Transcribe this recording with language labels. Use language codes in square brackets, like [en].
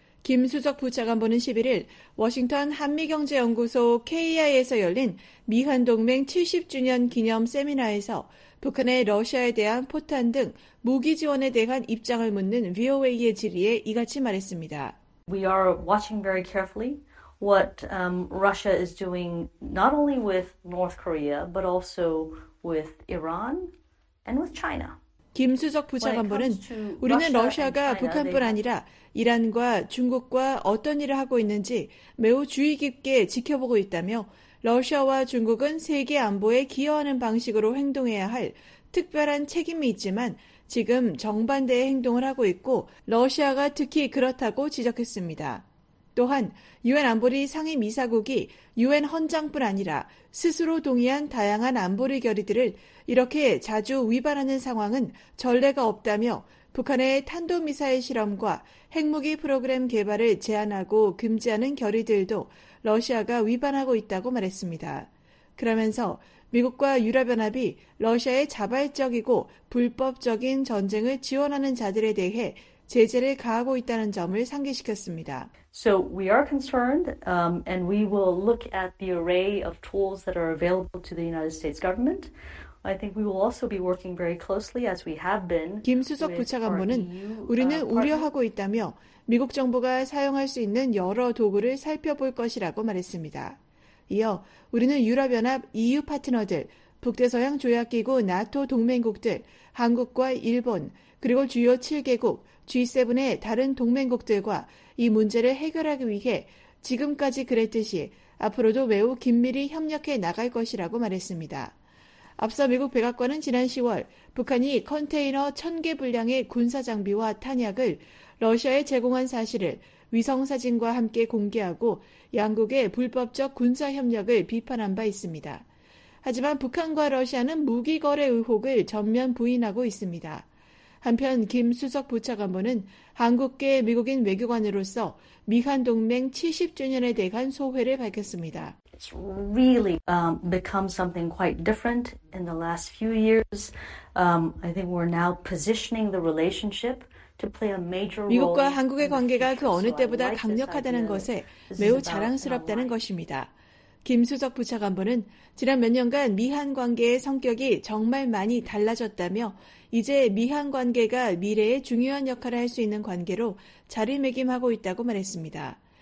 [ko] 김 수석 부차관보는 11일 워싱턴 한미경제연구소 KI에서 열린 미한동맹 70주년 기념 세미나에서 북한의 러시아에 대한 포탄 등 무기 지원에 대한 입장을 묻는 VOA의 질의에 이같이 말했습니다. [en] We are watching very carefully. What Russia is doing not only with North Korea but also with Iran and with China. [ko] 김 수석 부차관보는 우리는 러시아가 북한뿐 아니라 이란과 중국과 어떤 일을 하고 있는지 매우 주의 깊게 지켜보고 있다며 러시아와 중국은 세계 안보에 기여하는 방식으로 행동해야 할 특별한 책임이 있지만 지금 정반대의 행동을 하고 있고 러시아가 특히 그렇다고 지적했습니다. 또한 유엔 안보리 상임이사국이 유엔 헌장뿐 아니라 스스로 동의한 다양한 안보리 결의들을 이렇게 자주 위반하는 상황은 전례가 없다며 북한의 탄도미사일 실험과 핵무기 프로그램 개발을 제한하고 금지하는 결의들도 러시아가 위반하고 있다고 말했습니다. 그러면서 미국과 유럽연합이 러시아의 자발적이고 불법적인 전쟁을 지원하는 자들에 대해 제재를 가하고 있다는 점을 상기시켰습니다. [en] So we are concerned and we will look at the array of tools that are available to the United States government. I think we will also be working very closely as we have been. [ko] 김 수석 부차관보는 우리는 우려하고 있다며 미국 정부가 사용할 수 있는 여러 도구를 살펴볼 것이라고 말했습니다. 이어 우리는 유럽연합 EU 파트너들, 북대서양 조약기구 나토 동맹국들, 한국과 일본, 그리고 주요 7개국, G7의 다른 동맹국들과 이 문제를 해결하기 위해 지금까지 그랬듯이 앞으로도 매우 긴밀히 협력해 나갈 것이라고 말했습니다. 앞서 미국 백악관은 지난 10월 북한이 컨테이너 1,000개 분량의 군사 장비와 탄약을 러시아에 제공한 사실을 위성사진과 함께 공개하고 양국의 불법적 군사협력을 비판한 바 있습니다. 하지만 북한과 러시아는 무기 거래 의혹을 전면 부인하고 있습니다. 한편 김 수석 부차관보는 한국계 미국인 외교관으로서 미한 동맹 70주년에 대한 소회를 밝혔습니다. [en] It's really become something quite different in the last few years. I think we're now positioning the relationship. [ko] 미국과 한국의 관계가 그 어느 때보다 강력하다는 것에 매우 자랑스럽다는 것입니다. 김수석 부차관보는 지난 몇 년간 미한 관계의 성격이 정말 많이 달라졌다며 이제 미한 관계가 미래에 중요한 역할을 할 수 있는 관계로 자리매김하고 있다고 말했습니다.